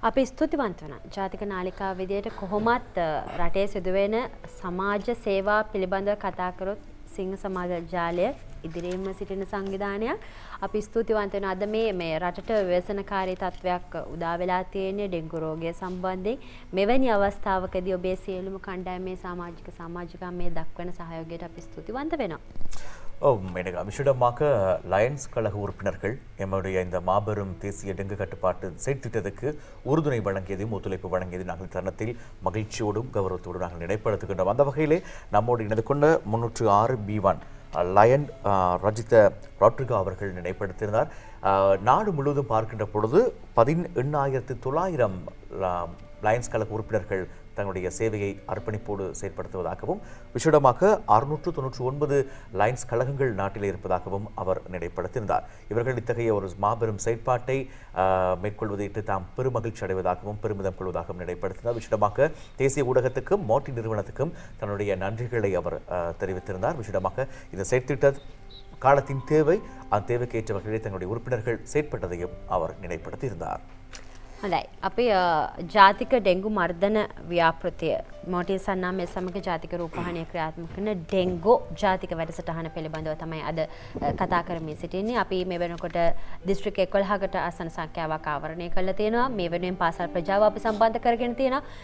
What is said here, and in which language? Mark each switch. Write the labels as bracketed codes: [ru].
[si] අපි ස්තුතිවන්ත වෙනවා ජාතික නාලිකාව විදියට කොහොමත් රටේ සිදුවෙන සමාජ සේවා පිළිබඳව කතා කරොත් සිංහ සමාජ ජාලය ඉදිරියෙන්ම සිටින සංවිධානයක්. අපි ස්තුතිවන්ත වෙනවා. අද මේ රටට ව්‍යසනකාරී තත්ත්වයක් උදා වෙලා තියෙන්නේ ඩෙංගු රෝගය සම්බන්ධයෙන්. මෙවැනි අවස්ථාවකදී ඔබේ සියලුම කණ්ඩායමේ සමාජික සමාජිකම්මේ දක්වන සහයෝගයට අපි ස්තුතිවන්ත වෙනවා. [ta] ஓ மேடக விஷயமாக லயன்ஸ் கழக உறுப்பினர்கள் எம்முடைய இந்த மாபெரும் தேசிய டெங்கு கட்டுப்பாட்டு செயற்திட்டத்துக்கு உறுதுணை வழங்கியதையும் ஒத்துழைப்பு வழங்கியதையும் நாங்கள் தருணத்தில் மகிழ்ச்சியோடும் கௌரவத்தோடு நாங்கள் நினைப்படுத்துகின்ற அந்த வகையிலே நம்மோடு இணைந்து கொண்ட 306B1 லயன் ரஜித ராட்ரிகா அவர்கள் நினைப்படுத்தினார். நாடு முழுவதும் பார்க்கின்ற பொழுது 18,900 லயன்ஸ் கழக உறுப்பினர்கள் தங்களுடைய சேவையை அர்ப்பணிப்போடு செயற்படுத்துவதாகவும், விசேடமாக 699 லயன்ஸ் கழகங்கள் நாட்டில் இருப்பதாகவும் அவர் நினைப்படுத்தியிருந்தார். இவர்கள் இத்தகைய ஒரு மாபெரும் செயற்பாட்டை மேற்கொள்வதையிட்டு தாம் பெருமகிழ்ச்சி அடைவதாகவும் பெருமிதம் கொள்வதாகவும் நினைப்படுத்தினார். விசேடமாக தேசிய ஊடகத்துக்கும் மோட்டி நிறுவனத்துக்கும் தன்னுடைய நன்றிகளை அவர் தெரிவித்திருந்தார். விசேடமாக இந்த செயற்திட்ட காலத்தின் தேவை அந்த தேவைக்கேற்ற வகையில் தங்களுடைய உறுப்பினர்கள் செயற்பட்டதையும் அவர் நினைப்படுத்தியிருந்தார். [si] හොඳයි. අපි ජාතික ඩෙංගු මර්ධන ව්‍යාපෘතිය මෝටි සන්නාමය සමග ජාතික රූපවාහිනිය ක්‍රියාත්මක කරන ඩෙංගු ජාතික වැඩසටහන පිළිබඳව තමයි අද කතා කරමින් සිටින්නේ. අපි මේ වෙනකොට දිස්ත්‍රික් 11කට ආසන සංඛ්‍යාවක් ආවරණය කරලා තියෙනවා. මේ වෙනුවෙන් පාසල් ප්‍රජාව අපි සම්බන්ධ කරගෙන තියෙනවා.